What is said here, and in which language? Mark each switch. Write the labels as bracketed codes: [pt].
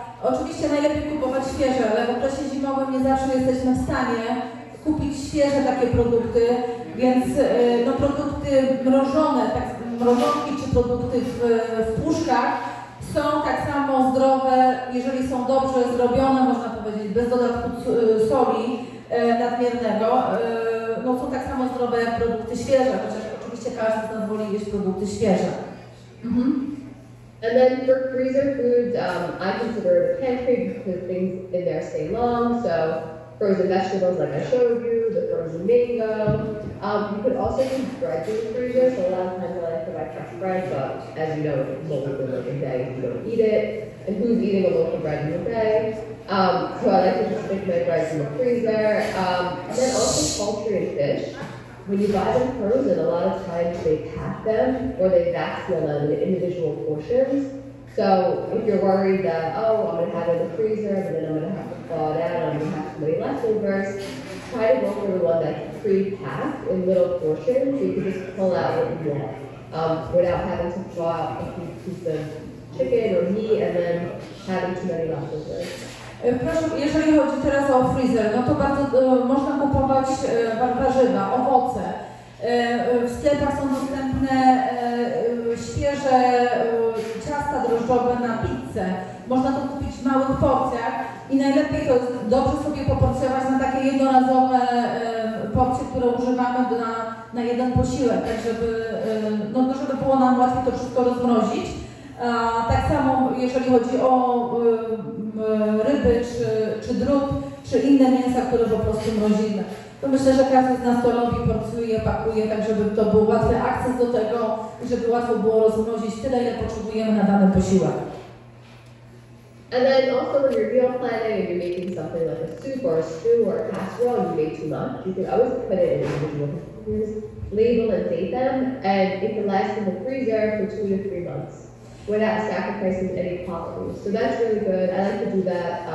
[pl] Oczywiście najlepiej kupować świeże, ale w okresie zimowym nie zawsze jesteśmy w stanie kupić świeże takie produkty, więc no, produkty mrożone, tak, mrożonki czy produkty w puszkach są tak samo zdrowe, jeżeli są dobrze zrobione, można powiedzieć, bez dodatku soli nadmiernego, no są tak samo zdrowe jak produkty świeże, chociaż oczywiście każdy z nas woli jeść produkty świeże. Mhm. [en] And then for freezer foods, I consider it pantry because things in there stay long, so frozen vegetables like I showed you, the frozen mango. You could also use bread in the freezer, so a lot of times I like to buy fresh bread, but as you know, it's mold within like a day if you don't eat it. And who's eating a loaf of bread in a day? So I like to just pick my bread from the freezer. And then also poultry and fish. When you buy them frozen, a lot of times they pack them or they vacuum them in individual portions. So if you're worried that, oh, I'm going to have it in the freezer and then I'm going to have to thaw it out and I'm going to have somebody leftovers, try to look for the one that's pre-packed in little portions so you can just pull out what you want without having to thaw out a few pieces of chicken or meat and then having too many leftovers. [pl] Proszę, jeżeli chodzi teraz o freezer, no to bardzo można kupować warzywa, owoce. W sklepach są dostępne świeże ciasta drożdżowe na pizzę. Można to kupić w małych porcjach i najlepiej to dobrze sobie poporcjować na takie jednorazowe porcje, które używamy na jeden posiłek, tak żeby, no, żeby było nam łatwiej to wszystko rozmrozić. Tak samo jeżeli chodzi o ryby, czy drób, czy inne mięsa, które po prostu mrozimy. To myślę, że każdy z nas to robi, porcjuje, pakuje, tak żeby to był łatwy akces do tego, żeby łatwo było rozmrozić tyle, ile potrzebujemy na dany posiłek. [en] And then also when you're meal planning and you're making something like a soup or a stew or a casserole and you make too much, you can always put it in individual containers, label and date them, and it can last in the freezer for 2 to 3 months. without sacrificing any quality. So that's really good. I like to do that.